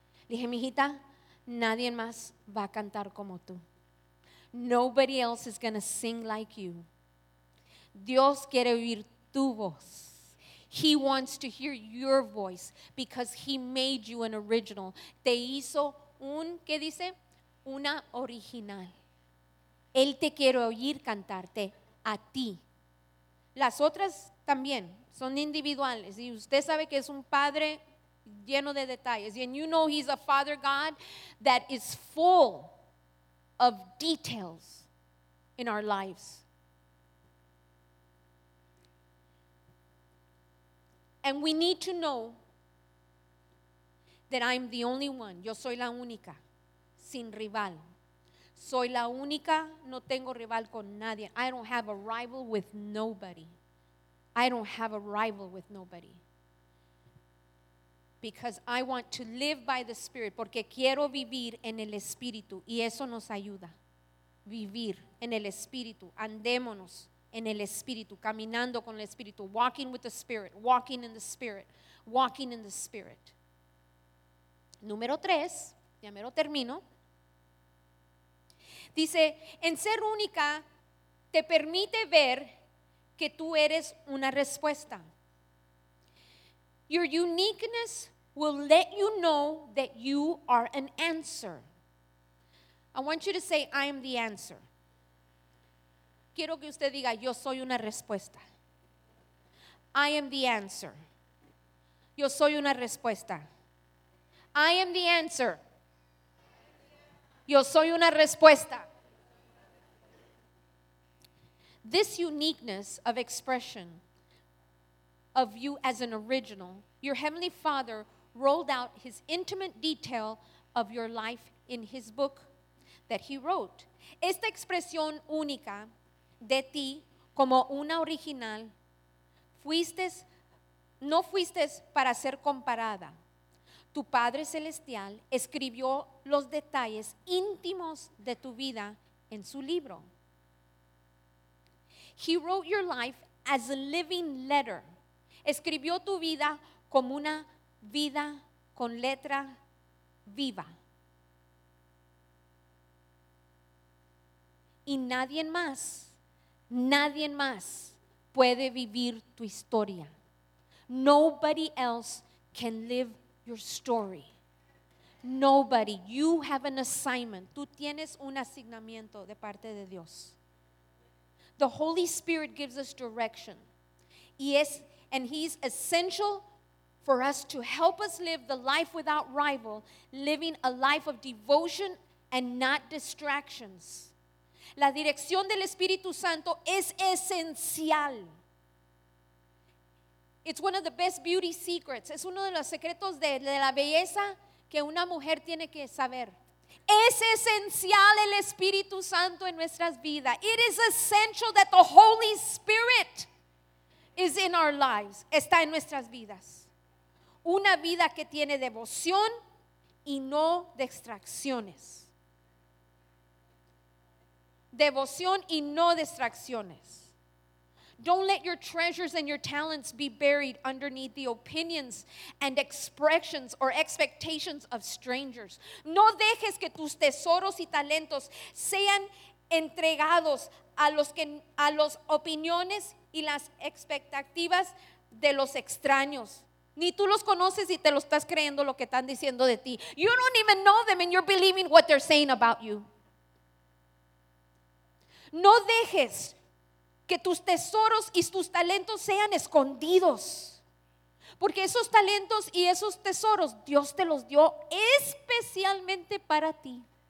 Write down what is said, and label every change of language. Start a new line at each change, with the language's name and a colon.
Spanish: Dije, "Mijita, nadie más va a cantar como tú.
English: Nobody else is going to sing like you.
Spanish: Dios quiere oír tu voz.
English: He wants to hear your voice because he made you an original.
Spanish: Te hizo un, ¿qué dice? Una original. Él te quiere oír cantarte a ti. Las otras también son individuales. Y usted sabe que es un padre lleno de detalles.
English: And you know he's a father God that is full of details in our lives. And we need to know That I'm the only one.
Spanish: Yo soy la única. Sin rival. Soy la única. No tengo rival con nadie.
English: I don't have a rival with nobody. I don't have a rival with nobody. Because I want to live by the Spirit.
Spanish: Porque quiero vivir en el Espíritu. Y eso nos ayuda. Vivir en el Espíritu. Andémonos en el Espíritu. Caminando con el Espíritu.
English: Walking with the Spirit. Walking in the Spirit. Walking in the Spirit.
Spanish: Número tres. Ya me lo termino. Dice, en ser única te permite ver que tú eres una respuesta.
English: Your uniqueness will let you know that you are an answer. I want you to say, I am the answer.
Spanish: Quiero que usted diga, yo soy una respuesta.
English: I am the answer.
Spanish: Yo soy una respuesta.
English: I am the answer.
Spanish: Yo soy una respuesta.
English: This uniqueness of expression of you as an original, your Heavenly Father rolled out his intimate detail of your life in his book that he wrote.
Spanish: Esta expresión única de ti como una original, no fuiste para ser comparada. Tu Padre Celestial escribió los detalles íntimos de tu vida en su libro.
English: He wrote your life as a living letter.
Spanish: Escribió tu vida como una vida con letra viva. Y nadie más puede vivir tu historia.
English: Nobody else can live your story. Nobody. You have an assignment.
Spanish: Tú tienes un asignamiento de parte de Dios.
English: The Holy Spirit gives us direction. Yes, and he's essential for us to help us live the life without rival, living a life of devotion and not distractions.
Spanish: La dirección del Espíritu Santo es esencial.
English: It's one of the best beauty secrets.
Spanish: Es uno de los secretos de la belleza que una mujer tiene que saber. Es esencial el Espíritu Santo en nuestras vidas.
English: It is essential that the Holy Spirit is in our lives.
Spanish: Está en nuestras vidas. Una vida que tiene devoción y no distracciones. Devoción y no distracciones.
English: Don't let your treasures and your talents be buried underneath the opinions and expressions or expectations of strangers.
Spanish: No dejes que tus tesoros y talentos sean entregados a las opiniones y las expectativas de los extraños. Ni tú los conoces y te lo estás creyendo lo que están diciendo de ti.
English: You don't even know them and you're believing what they're saying about you.
Spanish: No dejes que tus tesoros y tus talentos sean escondidos. Porque esos talentos y esos tesoros, Dios te los dio especialmente para ti.